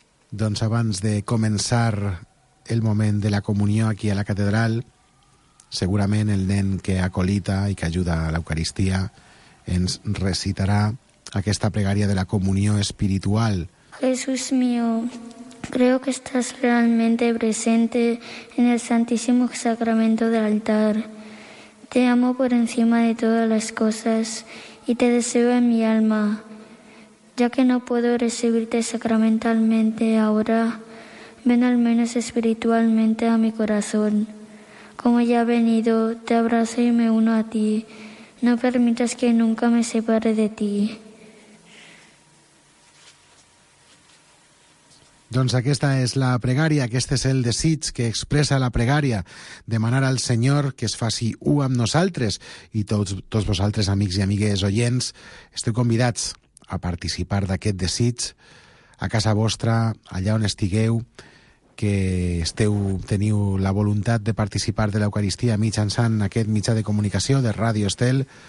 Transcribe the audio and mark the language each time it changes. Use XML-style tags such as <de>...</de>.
<ca>Doncs abans de començar el moment de la comunió aquí a la catedral, segurament el nen que acolita i que ajuda a l'Eucaristia ens recitarà aquesta pregària de la comunió espiritual.</ca> <es>Jesús mío, creo que estás realmente presente en el Santísimo Sacramento del altar. Te amo por encima de todas las cosas y te deseo en mi alma. Ya que no puedo recibirte sacramentalmente ahora, ven al menos espiritualmente a mi corazón. Como ya he venido, te abrazo y me uno a ti. No permitas que nunca me separe de ti.</es> <ca>Doncs aquesta és la pregària, aquest és el desig que expressa la pregària, demanar al Senyor que es faci u amb nosaltres, i tots vosaltres, amics i amigues oients, esteu convidats a participar d'aquest desig a casa vostra, allà on estigueu, que esteu, teniu la voluntat de participar de l'Eucaristia mitjançant aquest mitjà de comunicació de Ràdio Estel.</ca>